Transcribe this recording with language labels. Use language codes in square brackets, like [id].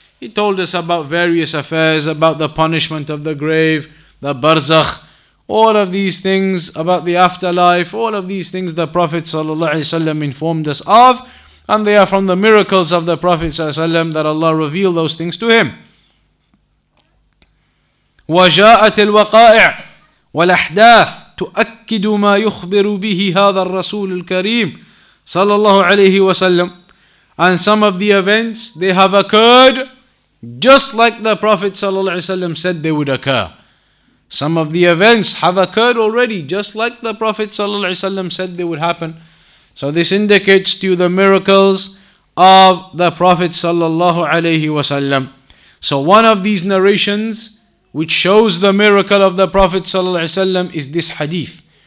[en] He told us about various affairs, about the punishment of the grave, the barzakh. All of these things about the afterlife, all of these things the Prophet ﷺ informed us of, and they are from the miracles of the Prophet ﷺ that Allah revealed those things to him. [ar] وَجَاءَتِ الْوَقَائِعُ وَالْأَحْدَاثُ تُؤَكِّدُ مَا يُخْبِرُ بِهِ هَذَا الرَّسُولُ الْكَرِيمُ صلى الله عليه وسلم. [en] And some of the events, they have occurred just like the Prophet ﷺ said they would occur. Some of the events have occurred already, just like the Prophet ﷺ said they would happen. So this indicates to you the miracles of the Prophet ﷺ. So one of these narrations which shows the miracle of the Prophet ﷺ is this hadith.